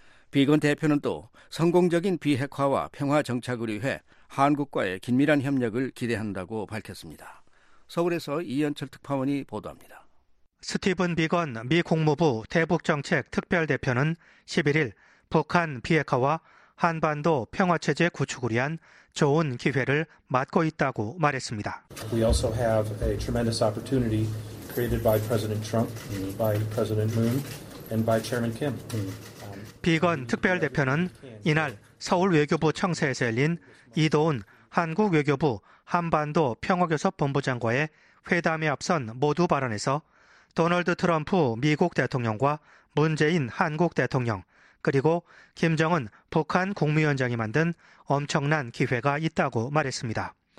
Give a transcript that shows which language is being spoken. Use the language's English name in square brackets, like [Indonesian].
[Korean] 비건 대표는 또 성공적인 비핵화와 평화정착을 위해 한국과의 긴밀한 협력을 기대한다고 밝혔습니다. 서울에서 이현철 특파원이 보도합니다. 스티븐 비건 미 국무부 대북정책특별대표는 11일 북한 비핵화와 한반도 평화체제 구축을 위한 좋은 기회를 맞고 있다고 말했습니다. [English] We also have a tremendous opportunity created by President Trump, by President Moon, and by Chairman Kim. [Korean] 비건 특별대표는 이날 서울 외교부 청사에서 열린 이도훈 한국 외교부 한반도 평화교섭본부장과의 회담에 앞선 모두 발언에서 도널드 트럼프 미국 대통령과 문재인 한국 대통령 그리고 김정은 북한 국무위원장이 만든 엄청난 기회가 있다고 말했습니다.